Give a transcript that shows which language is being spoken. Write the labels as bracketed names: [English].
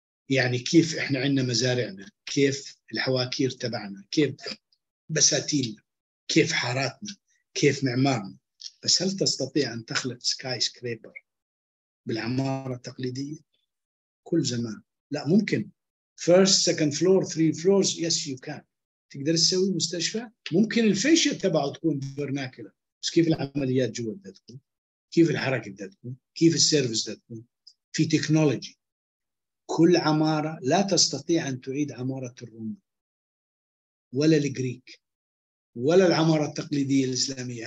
[Arabic] يعني كيف إحنا عندنا مزارعنا، كيف الحواكير تبعنا، كيف بساتيننا، كيف حاراتنا، كيف معمارنا. بس هل تستطيع أن تخلق سكاي سكريبر بالعمارة التقليدية؟ كل زمان لا ممكن. [English] First, second floor, three floors, yes you can. [Arabic] تقدر تسوي مستشفى؟ ممكن الفيشة تبعه تكون فرناكلة، بس كيف العمليات جوا بدها تكون؟ كيف الحركة بدها تكون؟ كيف السيرفيس بدها تكون؟ في تكنولوجي. كل عمارة لا تستطيع أن تعيد عمارة الروم ولا الجريك ولا العمارة التقليدية الإسلامية.